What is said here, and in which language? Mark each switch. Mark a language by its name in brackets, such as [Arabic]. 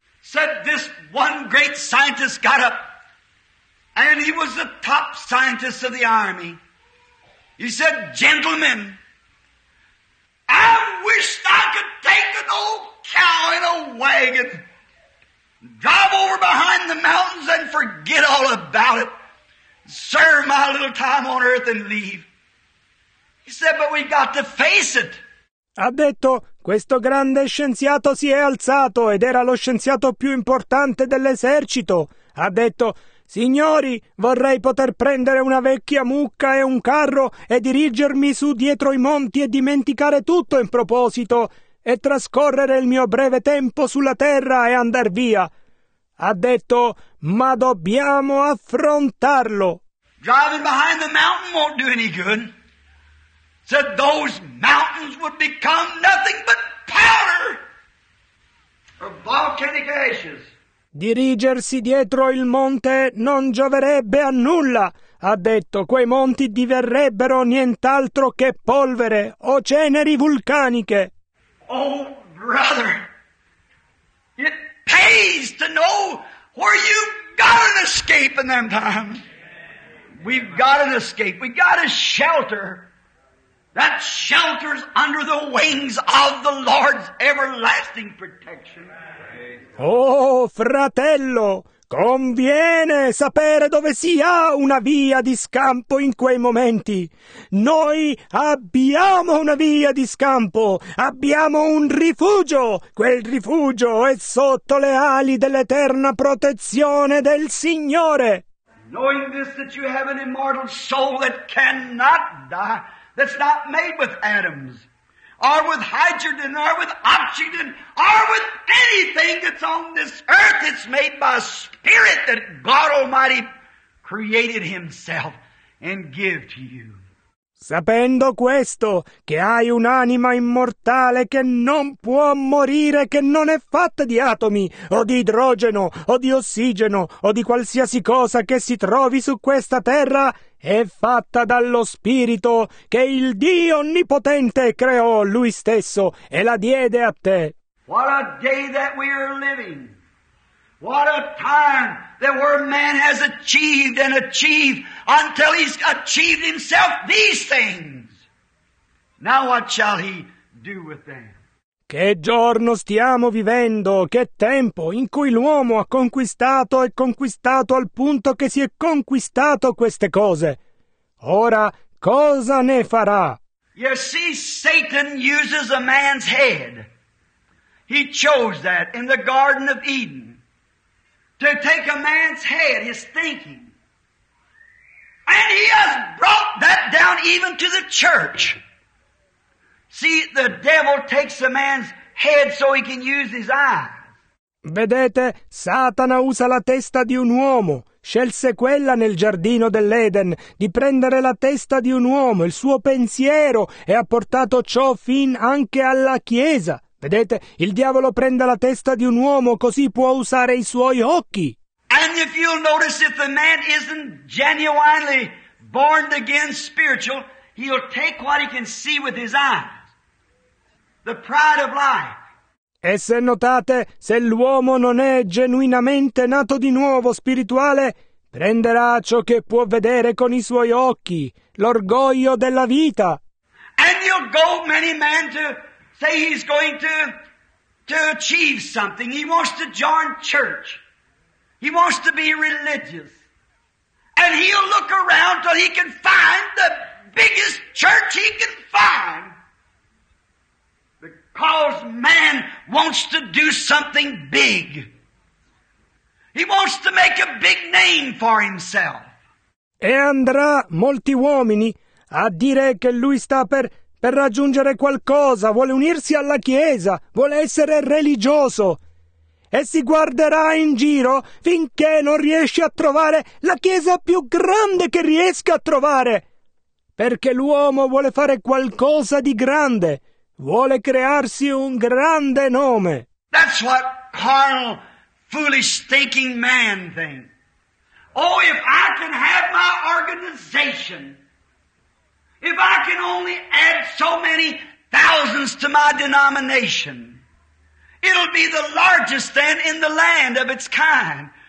[English] Said this one great scientist got up. And he was the top scientist of the army. He said, gentlemen, I wished I could take an old cow in a wagon, drive over behind the mountains and forget all about it, serve my little time on earth and leave. He said, but we've got to face it. [Italian] Ha detto, questo grande scienziato si è alzato ed era lo scienziato più importante dell'esercito. Ha detto, signori, vorrei poter prendere una vecchia mucca e un carro e dirigermi su dietro i monti e dimenticare tutto in proposito e trascorrere il mio breve tempo sulla terra e andar via. Ha detto, ma dobbiamo affrontarlo. [English] Driving behind the mountain won't do any good. Said those mountains would become nothing but powder or volcanic ashes. [Italian] Dirigersi dietro il monte non gioverebbe a nulla, ha detto. Quei monti diverrebbero nient'altro che polvere o ceneri vulcaniche. [English] Oh, brother, it pays. amazed to know where you've got an escape in them times. We've got an escape. We've got a shelter. That shelter's under the wings of the Lord's everlasting protection. [Italian] Oh, fratello, conviene sapere dove si ha una via di scampo in quei momenti. Noi abbiamo una via di scampo, abbiamo un rifugio. Quel rifugio è sotto le ali dell'eterna protezione del Signore. [English] Knowing this, that you have an immortal soul that cannot die, that's not made with atoms, or with hydrogen, or with oxygen, or with anything that's on this earth. It's made by spirit that God Almighty created himself and give to you. [Italian] Sapendo questo, che hai un'anima immortale che non può morire, che non è fatta di atomi, o di idrogeno, o di ossigeno, o di qualsiasi cosa che si trovi su questa terra, è fatta dallo Spirito che il Dio Onnipotente creò Lui stesso e la diede a te. [English] What a day that we are living! What a time that where man has achieved and achieved until he's achieved himself these things. Now what shall he do with them? [Italian] Che giorno stiamo vivendo, che tempo in cui l'uomo ha conquistato e conquistato al punto che si è conquistato queste cose. Ora cosa ne farà? [English] You see, Satan uses a man's head. He chose that in the Garden of Eden. To take a man's head, his thinking. And he has brought that down even to the church. See, the devil takes a man's head so he can use his eyes. [Italian] Vedete, Satana usa la testa di un uomo. Scelse quella nel giardino dell'Eden, di prendere la testa di un uomo, il suo pensiero, e ha portato ciò fin anche alla Chiesa. Vedete, il diavolo prende la testa di un uomo, così può usare i suoi occhi. [English] And if you'll notice, if the man isn't genuinely born again spiritual, he'll take what he can see with his eyes. The pride of life. [Italian] E se notate, se l'uomo non è genuinamente nato di nuovo spirituale, prenderà ciò che può vedere con i suoi occhi, l'orgoglio della vita. [English] And you'll go many men to say he's going to achieve something. He wants to join church. He wants to be religious. And he'll look around till he can find the biggest church he can find. Because man wants to do something big. He wants to make a big name for himself. [Italian] E andrà molti uomini a dire che lui sta per raggiungere qualcosa, vuole unirsi alla Chiesa, vuole essere religioso, e si guarderà in giro finché non riesce a trovare la Chiesa più grande che riesca a trovare, perché l'uomo vuole fare qualcosa di grande, vuole crearsi un grande nome. [English] That's what carnal, foolish thinking man thinks. Oh, if I can have my organization, if I can only add so many thousands to my denomination, it'll be the largest then in the land of its kind.